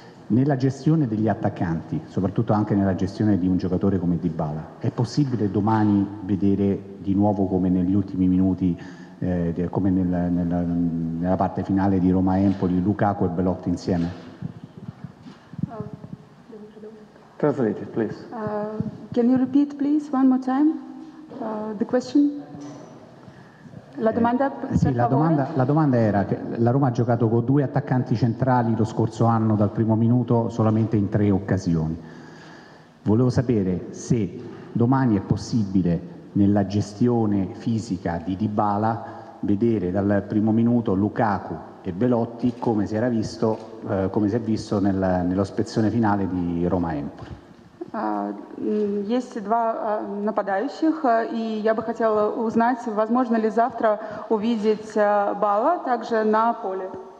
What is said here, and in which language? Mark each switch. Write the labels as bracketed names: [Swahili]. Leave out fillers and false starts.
[Italian] Nella gestione degli attaccanti, soprattutto anche nella gestione di un giocatore come Dybala, è possibile domani vedere di nuovo come negli ultimi minuti, come nella parte finale di Roma-Empoli, Lukaku e Belotti insieme? [English] Translate, please. Can you repeat, please, one more time, the question? [Italian] La domanda, La domanda era che la Roma ha giocato con due attaccanti centrali lo scorso anno dal primo minuto solamente in tre occasioni. Volevo sapere se domani è possibile nella gestione fisica di Dybala vedere dal primo minuto Lukaku e Belotti come si è visto nello spezzone finale di Roma-Empoli. [Russian] Есть два нападающих, и я бы хотела узнать, возможно ли завтра увидеть Бала также на поле.